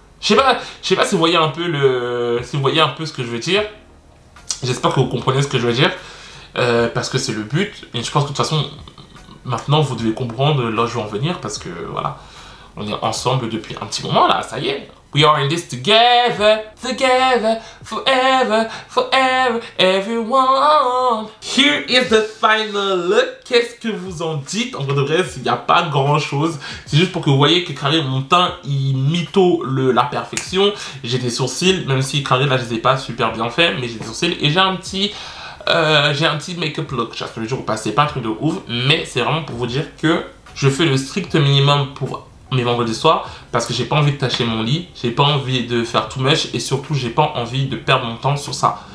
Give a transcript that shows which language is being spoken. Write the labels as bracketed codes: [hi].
[fr] Je sais pas si vous voyez un peu le, si vous voyez un peu ce que je veux dire. J'espère que vous comprenez ce que je veux dire, parce que c'est le but, et je pense que de toute façon maintenant, vous devez comprendre là où je veux en venir parce que voilà, on est ensemble depuis un petit moment là, ça y est. [en] We are in this together, together, forever, forever, everyone. Here is the final look. [fr] Qu'est-ce que vous en dites? En vrai de vrai, il n'y a pas grand chose. C'est juste pour que vous voyez que carré, mon teint, il mytho la perfection. J'ai des sourcils, même si carré là, je ne les ai pas super bien fait, mais j'ai des sourcils et j'ai un petit make-up look, je le jure ou pas, c'est pas un truc de ouf, mais c'est vraiment pour vous dire que je fais le strict minimum pour mes vendredis soirs parce que j'ai pas envie de tâcher mon lit, j'ai pas envie de faire tout mèche et surtout j'ai pas envie de perdre mon temps sur ça.